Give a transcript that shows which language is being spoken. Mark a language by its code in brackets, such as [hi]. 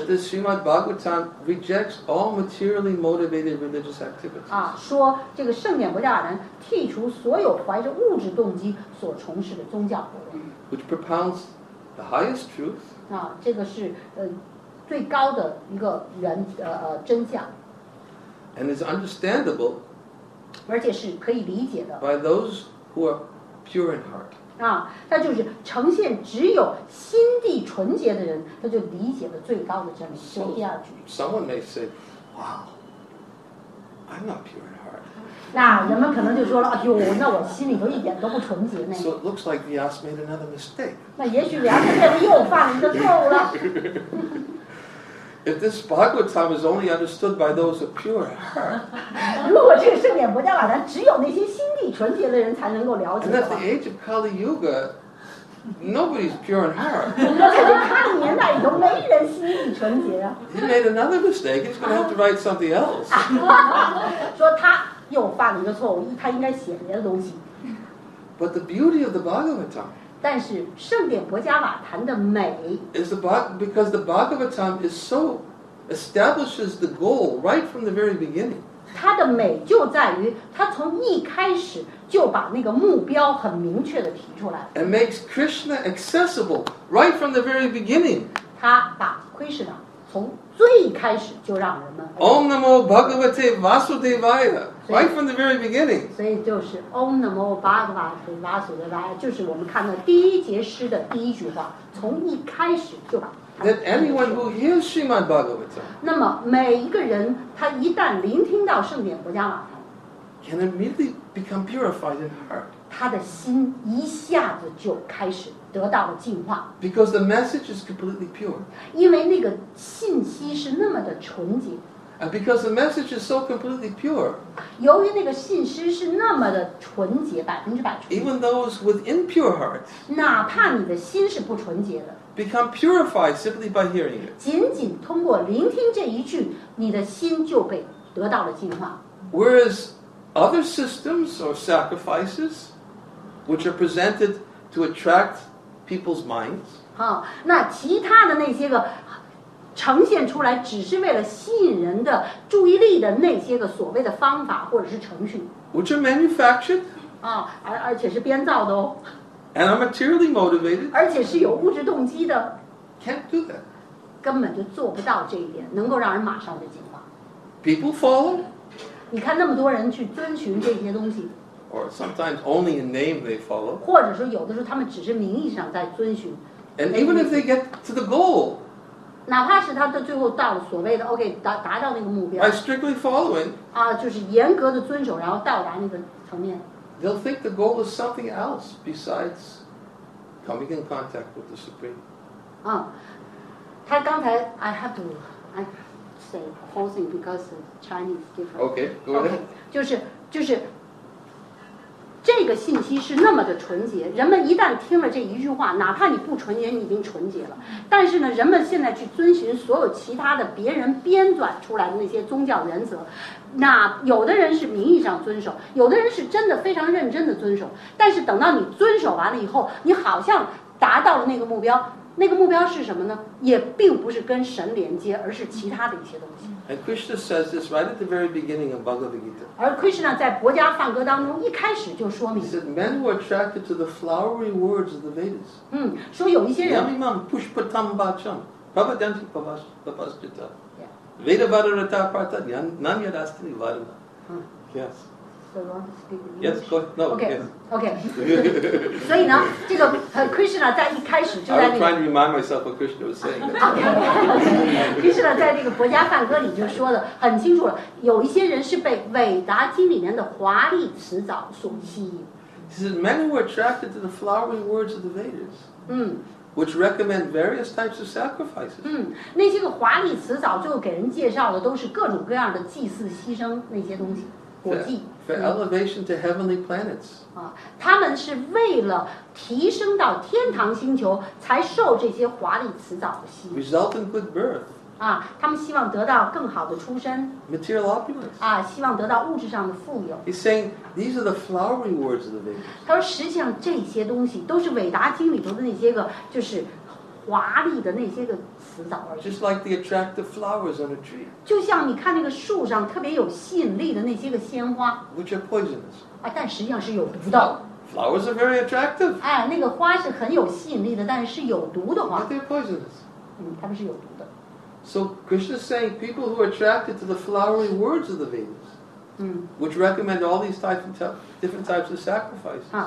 [en] That the Srimad Bhagavatam rejects all materially motivated religious activities. [zh] 啊，说这个圣典维达瓦南剔除所有怀着物质动机所从事的宗教活动。 [en] Which propounds the highest truth. [zh] 啊，这个是最高的一个原真相。 [en] And is understandable. [zh] 而且是可以理解的。 [en] By those who are pure in heart. [zh] 啊，他就是呈现只有心地纯洁的人，他就理解了最高的真理。 [en] So, [zh] 第二句。 [en] Someone may say, "Wow, I'm not pure in heart." [zh] 那人们可能就说了，哎呦，那我心里头一点都不纯洁呢。 [en] So it looks like Vyasa made another mistake. [zh] 那也许 Vyasa 又犯了一个错误了。 [en] If this Bhagavatam is only understood by those of pure heart, [zh] 如果这个圣典薄伽瓦南只有那些心地纯洁的人才能够了解。 [en] And at the age of Kali Yuga, nobody's pure in heart. [zh] 那在他的年代里头，没人心地纯洁啊。 [en] He made another mistake. He's going to have to write something else. [zh] 说他又犯了一个错误，他应该写别的东西。 [en] But the beauty of the Bhagavatam. [zh] 但是圣典薄伽瓦坛的美 [en] is the because the Bhagavatam is so establishes the goal right from the very beginning. [zh] 它的美就在于它从一开始就把那个目标很明确的提出来。 [en] And makes Krishna accessible right from the very beginning. [zh] 它把 Krishna 从最开始就让人们 [en] Om Namo Bhagavate Vasudevaya. Right from the very beginning. [zh] 所以就是 Om Namo Bhagavate Vasudevaya, 就是我们看到第一节诗的第一句话，从一开始就把。 [en] That anyone who hears Srimad Bhagavatam. [zh] 那么每一个人，他一旦聆听到圣典薄伽瓦坛 [en] ，can immediately become purified in heart. [zh] 他的心一下子就开始得到了净化。 [en] Because the message is completely pure. [zh] 因为那个信息是那么的纯洁。 [en] And because the message is so completely pure, [zh] 由于那个信息是那么的纯洁，百分之百纯洁。 [en] Even those with impure hearts, [zh] 哪怕你的心是不纯洁的 [en] become purified simply by hearing it. [zh] 仅仅通过聆听这一句，你的心就被得到了净化。 [en] Whereas other systems or sacrifices, which are presented to attract people's minds, [zh] 好，那其他的那些个。呈现出来只是为了吸引人的注意力的那些个所谓的方法或者是程序 [en] which are manufactured [zh] 啊，而且是编造的哦 [en] and are materially motivated [zh] 而且是有物质动机的 [en] can't do that [zh] 根本就做不到这一点能够让人马上的进化 [en] people follow [zh] 你看那么多人去遵循这些东西 [en] or sometimes only in name they follow [zh] 或者说有的时候他们只是名义上在遵循 [en] and even if they get to the goal [zh] 哪怕是他的最后到了所谓的 OK 达到那个目标 [en] I strictly following [zh] 啊，就是严格的遵守然后到达那个层面 [en] They'll think the goal is something else besides coming in contact with the Supreme [zh] 啊，他刚才 [en] I have to I say whole thing because Chinese different OK go ahead [zh] okay, 就是这个信息是那么的纯洁人们一旦听了这一句话哪怕你不纯洁你已经纯洁了但是呢人们现在去遵循所有其他的别人编纂出来的那些宗教原则那有的人是名义上遵守有的人是真的非常认真的遵守但是等到你遵守完了以后你好像达到了那个目标是什么呢也并不是跟神连接而是其他的一些东西 [en] And Krishna says this right at the very beginning of Bhagavad Gita. [zh] 而 Krishna 在薄伽梵歌当中一开始就说明。 [en] He said, "Men who are attracted to the flowery words of the Vedas." [zh] 说有一些人。 [sa] Yamimam pushpatam bhacham, pravadanti pavasjita, vedavararata prata nanyadastini varuna. [en] Yes. Yes, go ahead. No, okay. Yes. Okay. [zh] 所以呢，这个Krishna 在一开始就在那。 [en] I was trying to remind myself what Krishna was saying. [zh] Krishna 在这个薄伽梵歌里就说的很清楚了，有一些人是被《韦达经》里面的华丽辞藻所吸引。 [en] He said many were attracted to the flowery words of the Vedas. 嗯。 Which recommend various types of sacrifices. [zh] 那些个华丽辞藻最后给人介绍的都是各种各样的祭祀、牺牲那些东西。 [en] For elevation to heavenly planets. [zh] 他们是为了提升到天堂星球，才受这些华丽辞藻的吸引。 [en] Result in good birth. [zh] 啊，他们希望得到更好的出身。 [en] Material opulence. [zh] 啊，希望得到物质上的富有。 [en] He's saying these are the flowery words of the Vedas. [zh] 他说，实际上这些东西都是韦达经里头的那些个，就是华丽的那些个词藻而已。 [en] Just like the attractive flowers on a tree. [zh] 就像你看那个树上特别有吸引力的那些个鲜花。 [en] Which are poisonous. [zh] 啊，但实际上是有毒的。 [en] Flowers are very attractive. [zh] 哎，那个花是很有吸引力的，但是是有毒的花。 [en] But they're poisonous. [zh] 嗯，他们是有毒的。 [en] So Krishna is saying people who are attracted to the flowery words of the Vedas, which recommend all these types of different types of sacrifices.